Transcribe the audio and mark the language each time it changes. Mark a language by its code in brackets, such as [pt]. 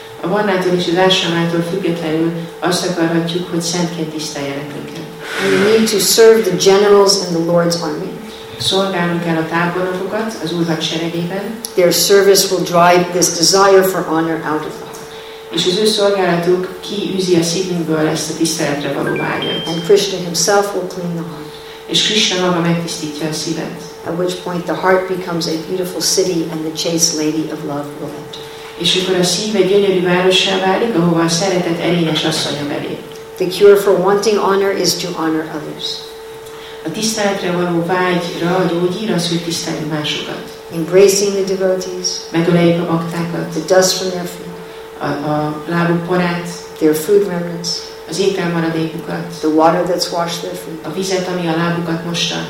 [hu] A vannától és az ásramától függetlenül azt akarhatjuk, hogy szentként tiszteljenek minket. [en] We need to serve the generals in the Lord's army. [hu] Szolgálnunk kell a tábornokokat az úr hadseregében. [en] Their service will drive this desire for honor out of us. [hu] És az ő szolgálatuk kiűzi a szívünkből ezt a tiszteletre való vágyat. [en] And Krishna himself will clean the heart. [hu] És Krishna maga megtisztítja a szívet. [en] At which point the heart becomes a beautiful city and the chaste lady of love will enter. [hu] És akkor a szív egy gyönyörű várossá válik, ahová a szeretet erényes asszonya belép. [en] The cure for wanting honor is to honor others. [hu] A tiszteletre való vágyra a gyógyír az, hogy tiszteljünk másokat. [en] Embracing the devotees. [hu] Megöleljük a baktákat. [en] The dust from their feet. [hu] A lábuk porát. [en] Their food remnants. [hu] Az ételmaradékukat. [en] The water that's washed their feet. [hu] A vizet, ami a lábukat mosta.